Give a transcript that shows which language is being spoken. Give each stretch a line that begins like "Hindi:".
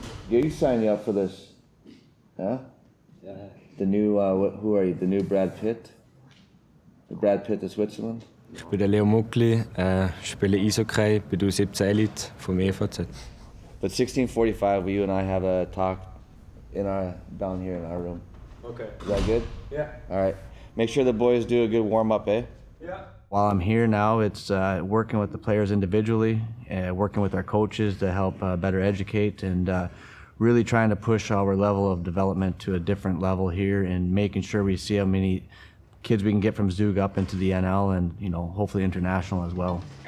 English: Yeah, you signed me up for this, huh? Yeah. The new, who are you? The new Brad Pitt? The Brad Pitt of Switzerland?
German: Ich bin der Leo Muckli, spiele Eishockey, bin du 17 Elite vom EVZ.
English: But 16:45, you and I have a talk in our down here in our room. Okay. Is that good? Yeah. All right. Make sure the boys do a good warm up, eh? Yeah. While I'm here now, it's working with the players individually, working with our coaches to help better educate, and really trying to push our level of development to a different level here, and making sure we see how many kids we can get from Zug up into the NL, and you know, hopefully international as well.